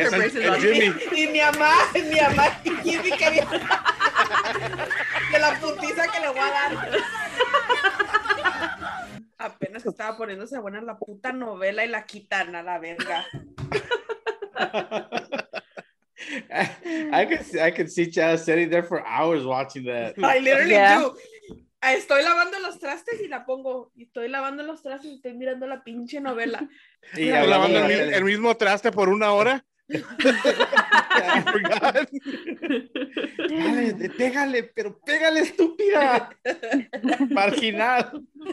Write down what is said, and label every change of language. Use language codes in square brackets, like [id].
[en] impression of Jimmy? [es] Y mi mamá, Jimmy, que viene. De la putiza que le voy a dar. Apenas estaba poniéndose buena la puta novela y la quitan a la verga. [en] I can see Chad sitting there for hours watching that. I literally do. [es] Estoy lavando los trastes y la pongo. Estoy lavando los trastes y estoy mirando la pinche novela. Y la lavando el mismo traste por una hora. Dale, pégale, pero pégale, estúpida. Marginal.